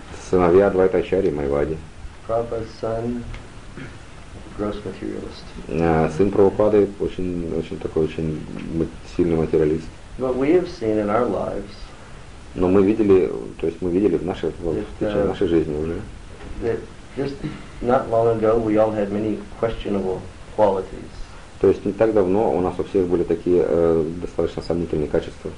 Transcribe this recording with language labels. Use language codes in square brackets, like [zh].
[ru] Сыновья Адвайта Ачарьи, Майвади. [en] Prabhupada's son. Gross materialist. [ru] Сын Прабхупады очень сильный материалист. [en] But we have seen in our lives. [ru] Но мы видели, то есть мы видели в нашей жизни уже. [en] that just not long ago we all had many questionable qualities. [ru] То есть не так давно у нас у всех были такие достаточно сомнительные качества.